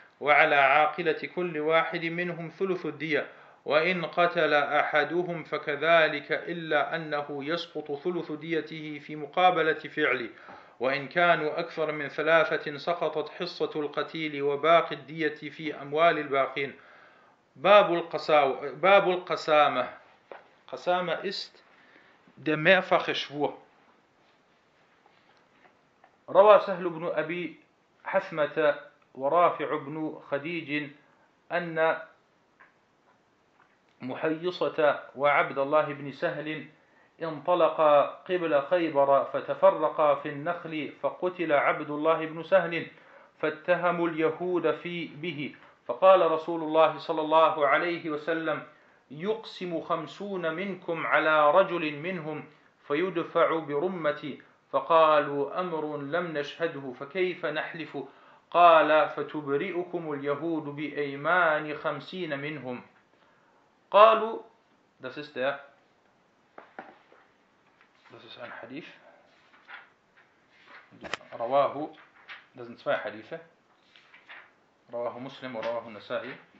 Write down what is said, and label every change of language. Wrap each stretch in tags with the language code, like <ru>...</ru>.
<ar>وعلى عاقلة كل واحد منهم ثلث الدية، وإن قتل أحدهم فكذلك، إلا أنه يسقط ثلث ديته في مقابلة فعله، وإن كانوا أكثر من ثلاثة سقطت حصة القتيل وباقي الدية في أموال الباقين. باب القسامة.</ar> <de>قسامة ist der mehrfache Schwur.</de> <ar>روى سهل بن أبي حثمة ورافع بن خديج أن محيصة وعبد الله بن سهل انطلق قبل خيبر فتفرقا في النخل، فقتل عبد الله بن سهل فاتهموا اليهود في به، فقال رسول الله صلى الله عليه وسلم: يقسم خمسون منكم على رجل منهم فيدفع برمتي، فقالوا: أمر لم نشهده فكيف نحلف؟ قال: فتبرئكم اليهود بأيمان خمسين منهم. قالوا:</ar> <de>Das ist der. Das ist ein Hadith.</de> <ar>رواه.</ar> <de>Das sind zwei Hadithe.</de> <ar>رواه مسلم ورواه النسائي.</ar>